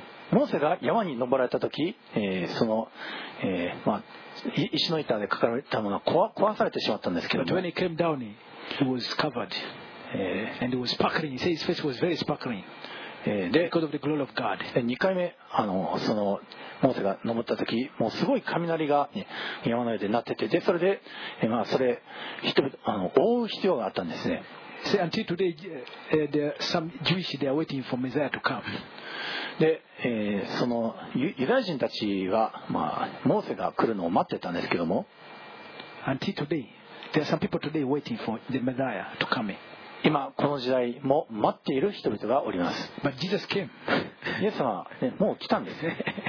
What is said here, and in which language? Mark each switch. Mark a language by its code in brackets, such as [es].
[ja] モーセが山に登られた時、その、まあ、石の板で書かれたものは壊されてしまったんですけど、 [en] when he came down, he was covered. And it was sparkling. He said his face was very sparkling. Because of the glory of God. [ja] 2回目そのモーセが登った時、もうすごい雷が、ね、山の上で鳴ってて、でそれで、まあ、それ人々覆う必要があったんですね。 [en] Say until today, there are some Jewish. They are waiting for Messiah to come. [ja] で、そのユダヤ人たちは、まあ、モーセが来るのを待ってたんですけども。 [en] Until today, there are some people today waiting for the Messiah to come. [ja] 今この時代も待っている人々がおります。 [en] But Jesus came. [ja] イエス様、ね、もう来たんですね。